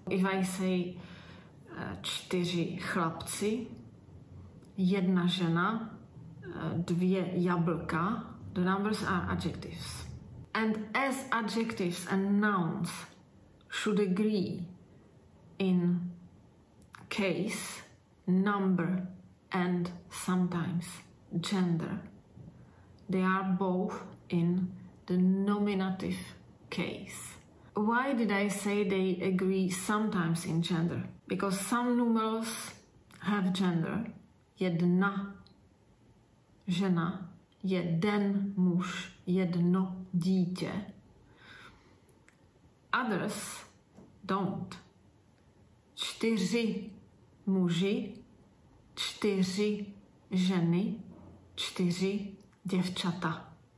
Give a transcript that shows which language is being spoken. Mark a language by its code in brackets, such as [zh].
[en] If I say [cs] čtyři chlapci, jedna žena, dvě jablka, [en] the numbers are adjectives. And as adjectives and nouns should agree in case, number, and sometimes gender, they are both in the nominative case. Why did I say they agree sometimes in gender? Because some numerals have gender. [cs] Jedna žena, jeden muž, jedno dítě. [en] Others don't. [cs] Čtyři muži, čtyři ženy, čtyři děvčata.